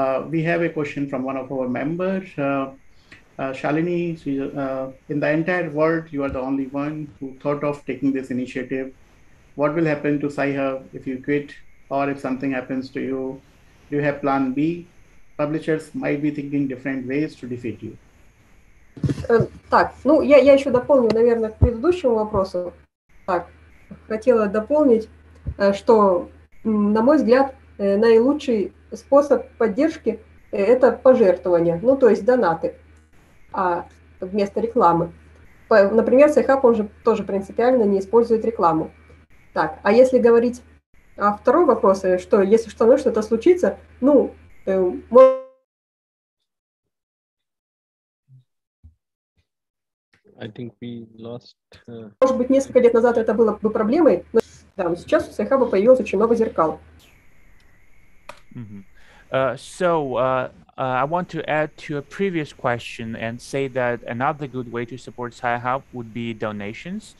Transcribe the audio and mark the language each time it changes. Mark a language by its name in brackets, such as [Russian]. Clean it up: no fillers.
[English] We have a question from one of our members. Shalini, so in the entire world, you are the only one who thought of taking this initiative. What will happen to Sci-Hub if you quit or if something happens to you? Do you have plan B? Publishers might be thinking different ways to defeat you. [Russian] Так, ну я еще дополню, наверное, к предыдущему вопросу. Так, хотела дополнить, что, на мой взгляд, наилучший способ поддержки – это пожертвования, ну то есть донаты. А вместо рекламы. Например, Sci-Hub уже тоже принципиально не использует рекламу. Так, а если говорить о втором вопросе, что если что-то случится, ну, может быть, несколько лет назад это было бы проблемой, но да, сейчас у Sci-Hub появилось очень много зеркал. [English] I want to add to a previous question and say that another good way to support Sci-Hub would be donations.